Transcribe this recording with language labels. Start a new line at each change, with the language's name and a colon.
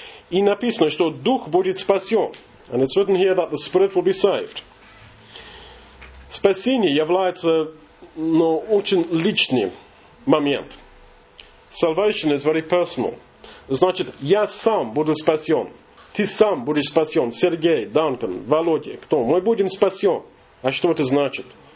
Russian: И написано, что дух будет спасен.
English: And it's written here that the spirit will be saved.
Russian: Спасение является, очень личным. Момент.
English: Salvation is very personal.
Russian: Значит, я сам буду спасен. Ты сам будешь спасен. Сергей, Данкан, Володя, кто? Мы будем спасен. А что это значит?